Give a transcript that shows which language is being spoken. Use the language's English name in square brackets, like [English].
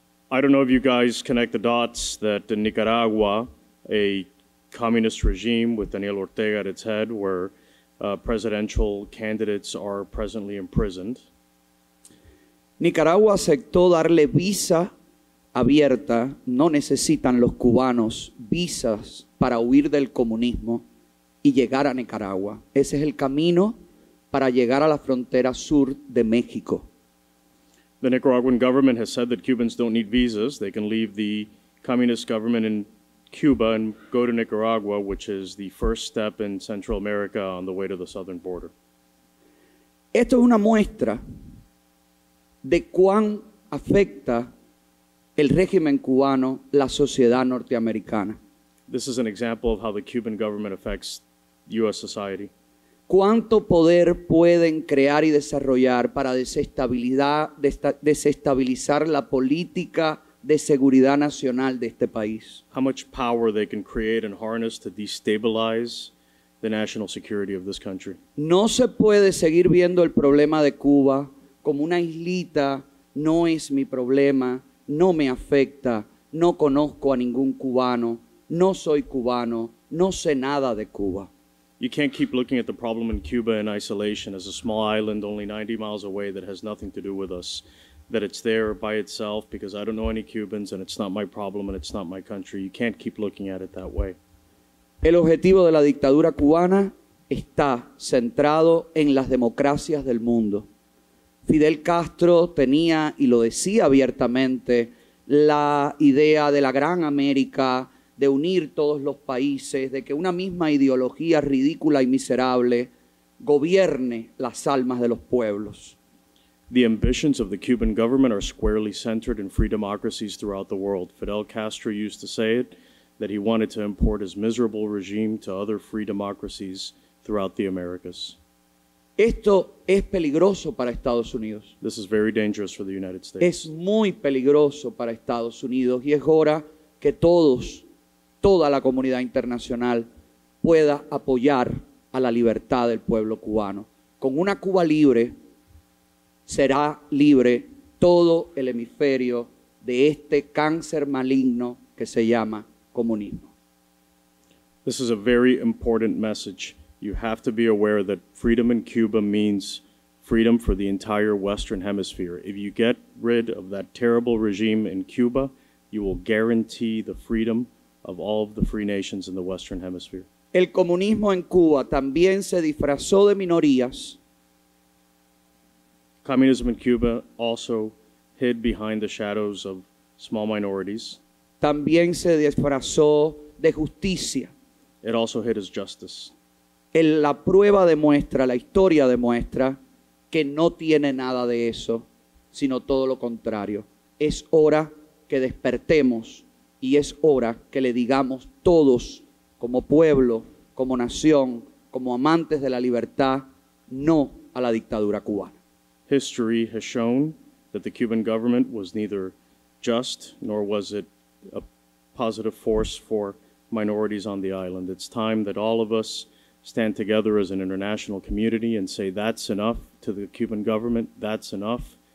[English] I don't know if you guys connect the dots that in Nicaragua, a communist regime with Daniel Ortega at its head, where presidential candidates are presently imprisoned. [Spanish] Nicaragua aceptó darle visa abierta. No necesitan los cubanos visas para huir del comunismo y llegar a Nicaragua. Ese es el camino para llegar a la frontera sur de México. [English] The Nicaraguan government has said that Cubans don't need visas. They can leave the communist government in Cuba and go to Nicaragua, which is the first step in Central America on the way to the southern border. [Spanish] Esto es una muestra de cuán afecta el régimen cubano la sociedad norteamericana. [English] This is an example of how the Cuban government affects U.S. society. [Spanish] ¿Cuánto poder pueden crear y desarrollar para desestabilizar la política de seguridad nacional de este país. [English] How much power they can create and harness to destabilize the national security of this country. [Spanish] No se puede seguir viendo el problema de Cuba como una islita, no es mi problema, no me afecta, no conozco a ningún cubano, no soy cubano, no sé nada de Cuba. [English] You can't keep looking at the problem in Cuba in isolation as a small island only 90 miles away that has nothing to do with us, that it's there by itself because I don't know any Cubans and it's not my problem and it's not my country. You can't keep looking at it that way. [Spanish] El objetivo de la dictadura cubana está centrado en las democracias del mundo. Fidel Castro tenía, y lo decía abiertamente, la idea de la Gran América, de unir todos los países, de que una misma ideología ridícula y miserable gobierne las almas de los pueblos. [English] The ambitions of the Cuban government are squarely centered in free democracies throughout the world. Fidel Castro used to say it, that he wanted to import his miserable regime to other free democracies throughout the Americas. [Spanish] Esto es peligroso para Estados Unidos. [English] This is very dangerous for the United States. [Spanish] Es muy peligroso para Estados Unidos y es hora que todos, toda la comunidad internacional pueda apoyar a la libertad del pueblo cubano. Con una Cuba libre, será libre todo el hemisferio de este cáncer maligno que se llama comunismo. [English] This is a very important message. You have to be aware that freedom in Cuba means freedom for the entire Western Hemisphere. If you get rid of that terrible regime in Cuba, you will guarantee the freedom of all of the free nations in the Western Hemisphere. [Spanish] El comunismo en Cuba también se disfrazó de minorías. [English] Communism in Cuba also hid behind the shadows of small minorities. [Spanish] También se disfrazó de justicia. [English] It also hid as justice. [Spanish] La prueba demuestra, la historia demuestra, que no tiene nada de eso, sino todo lo contrario. Es hora que despertemos y es hora que le digamos todos, como pueblo, como nación, como amantes de la libertad, no a la dictadura cubana. [English] History has shown that the Cuban government was neither just nor was it a positive force for minorities on the island. It's time that all of us stand together as an international community and say that's enough to the Cuban government, that's enough.